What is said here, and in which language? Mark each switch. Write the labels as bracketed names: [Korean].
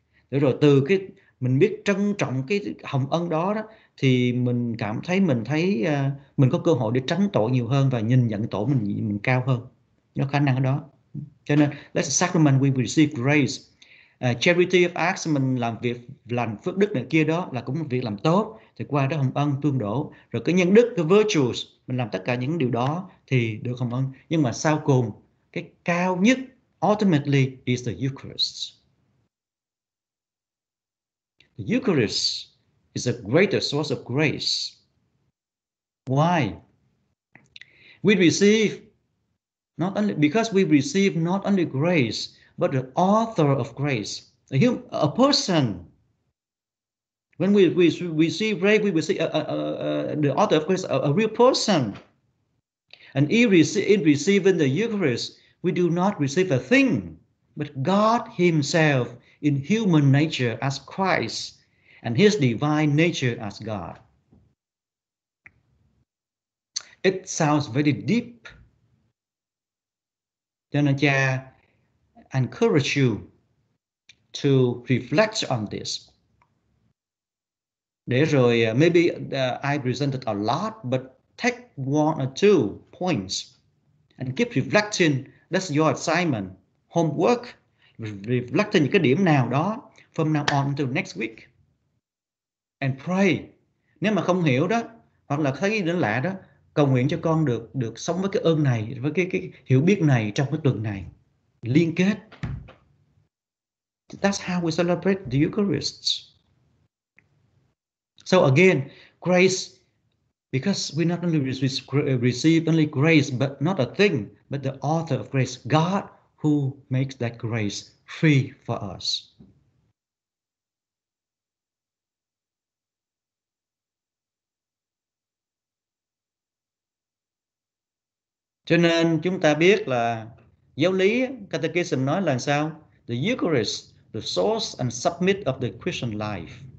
[Vietnamese] Để rồi từ cái mình biết trân trọng cái hồng ân đó đó, thì mình cảm thấy mình thấy mình có cơ hội để tránh tội nhiều hơn và nhìn nhận tội mình cao hơn, nó khả năng đó. Cho nên [English] that's a sacrament we receive grace. Charity of acts, [Vietnamese] mình làm việc lành phước đức này kia đó là cũng một việc làm tốt, thì qua đó hồng ân tương đổ. Rồi cái nhân đức, cái virtues, mình làm tất cả những điều đó thì được hồng ân. Nhưng mà sau cùng cái cao nhất [English] ultimately is the Eucharist. The Eucharist is the greatest source of grace. Why? We receive not only because we receive not only grace, but the author of grace, a person. When we see grace, we will see the author of grace, a real person. And in receiving the Eucharist, we do not receive a thing, but God Himself in human nature as Christ, and His divine nature as God. It sounds very deep. [Vietnamese] Cho nên cha [English] encourage you to reflect on this. [Vietnamese] Để rồi, [English] maybe I presented a lot, but take one or two points and keep reflecting. That's your assignment, homework. Reflecting [Vietnamese] những cái điểm nào đó [English] from now on until next week. And pray. [Vietnamese] Nếu mà không hiểu đó, hoặc là thấy đến lạ đó, cầu nguyện cho con được được sống với cái ơn này, với cái hiểu biết này trong cái tuần này. Liên kết. [English] That's how we celebrate the Eucharist. So again, grace, because we not only receive only grace, but not a thing, but the author of grace, God, who makes that grace free for us. [Vietnamese] Cho nên chúng ta biết là giáo lý Catechism nói là sao? [English] The Eucharist, the source and summit of the Christian life.